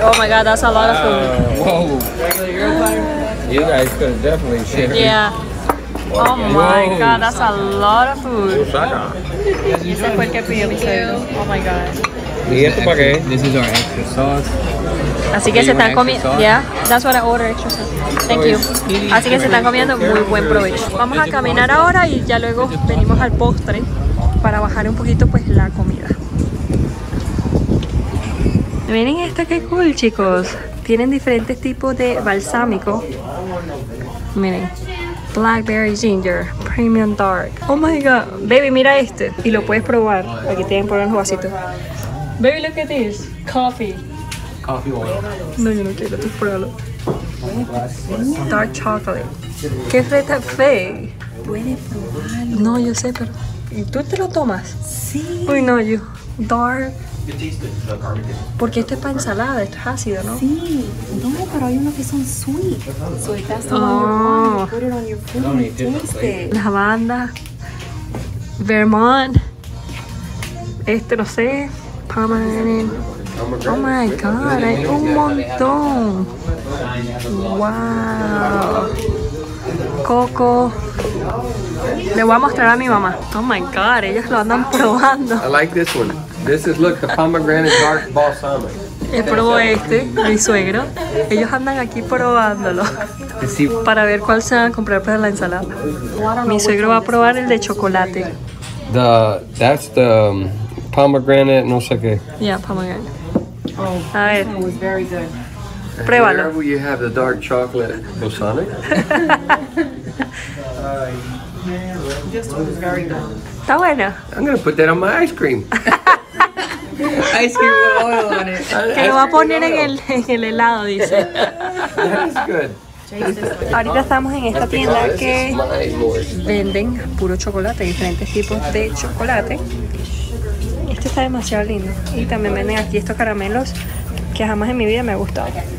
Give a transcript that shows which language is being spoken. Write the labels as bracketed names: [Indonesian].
[English] Oh my god, that's a lot of food. Whoa. You guys could definitely share. Yeah. Oh my god, that's a lot of food. [Spanish] Ese fue el que pidió mi suegro. [English] Oh my god. [Spanish] ¿Y esto para qué? [English] This is our extra sauce. [Spanish] Así que se están comiendo. [English] Yeah, that's what I ordered, extra sauce. Thank you. [Spanish] Así que se están comiendo, muy buen provecho. Vamos a caminar ahora y ya luego venimos al postre para bajar un poquito pues la comida. Miren esta que cool, chicos. Tienen diferentes tipos de balsámico. Miren. [English] Blackberry ginger, premium dark. Oh my god, baby, [Spanish] mira este. Y lo puedes probar, aquí tienen por unos vasitos. [English] Baby, look at this, coffee. Coffee oil. [Spanish] No, yo no quiero, tú pruébalo. [English] Dark chocolate. [Spanish] Qué fresa, fe. Puedes probarlo. No, yo sé, pero ¿y tú te lo tomas? Sí. Uy, no, yo. [English] Dark [Spanish] Porque esto es para ensalada, esto es ácido, ¿no? Sí. No, pero hay unos que son [English] sweet. So that's the one you want. Put it on your food and taste it. [Spanish] Lavanda. Vermont. Este no sé. Pomegranate. [English] Oh my god, [Spanish] hay un montón. Wow. Coco. Le voy a mostrar a mi mamá. Oh my god, ellos lo andan probando. [English] I like this one. This is, look, the pomegranate dark balsamic. [Spanish] Yo probó este, mi suegro. Ellos andan aquí probándolo para ver cuál se van a comprar para la ensalada. Mi suegro va a probar el de chocolate. [English] The, that's the pomegranate, [Spanish] no sé qué. [English] Yeah, pomegranate. Oh, [Spanish] a ver. Pruébalo. [English] Where will you have the dark chocolate balsamic? This one is very good. [Spanish] Está bueno. [English] I'm going to put that on my ice cream. Ice cream with oil on it. [Spanish] Que lo va a poner en el helado, dice. [English] That is good. [Spanish] Ahorita estamos en esta tienda que venden puro chocolate, diferentes tipos de chocolate. Este está demasiado lindo. Y también venden aquí estos caramelos que jamás en mi vida me ha gustado.